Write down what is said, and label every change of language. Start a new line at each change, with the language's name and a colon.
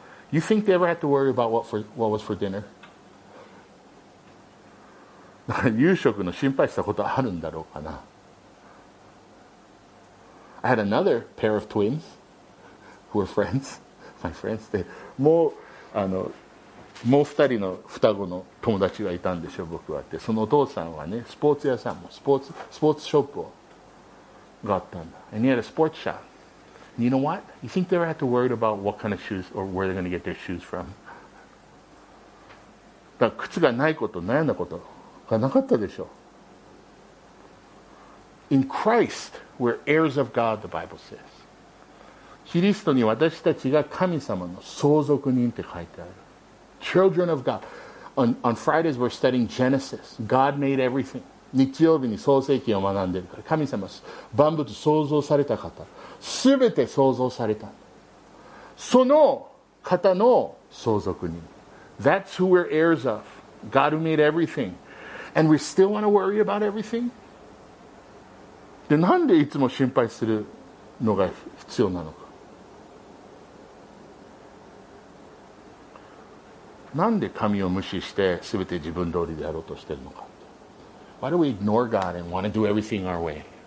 English: You think they ever had to worry about what was for dinner?
Japanese: 夕食の心配したことあるんだろうかな
English: I had another pair of twins who were friends, my friends.
Japanese: で、もう、あの、もう二人の双子の友達がいたんでしょ、僕はって。そのお父さんはね、スポーツ屋さんも、スポーツショップをがあったんだ。
English: And he had a sports shop. And you know what? You think they had to worry about what kind of shoes or where they're going to get their shoes from?
Japanese: だから靴がないこと、悩んだことがなかったでしょ。
English: In Christ, we're heirs of God, the Bible says.
Japanese: キリストに私たちが神様の相続人って書いてある。
English: Children of God. On Fridays, we're studying Genesis. God made everything.
Japanese: 日曜日に創世記を学んでるから、神様、万物創造された方、すべて創造された。その方の相続人。
English: That's who we're heirs of. God who made everything. And we still want to worry about everything?
Japanese: で、なんでいつも心配するのが必要なのか。なんで神を無視して全て自分通りでやろうとしているのか。
English: Why do we ignore God and want to do everything our way?